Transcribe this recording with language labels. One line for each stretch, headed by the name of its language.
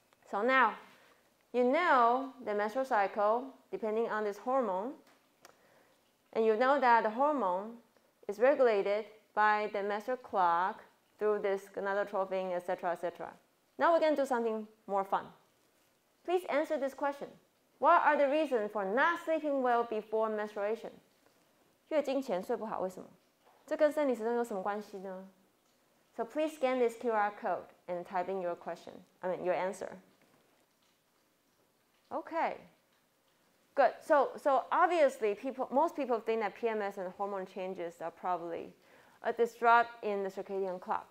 English: So now, you know the menstrual cycle, depending on this hormone, and you know that the hormone is regulated by the menstrual clock through this gonadotropin, etc., etc. Now we're going to do something more fun. Please answer this question. What are the reasons for not sleeping well before menstruation?
Chinese: 月经前睡不好，为什么? 这跟生理时钟有什么关系呢?
English: So please scan this QR code and type in your question, I mean your answer. Okay. Good. So obviously, most people think that PMS and hormone changes are probably a disrupt in the circadian clock.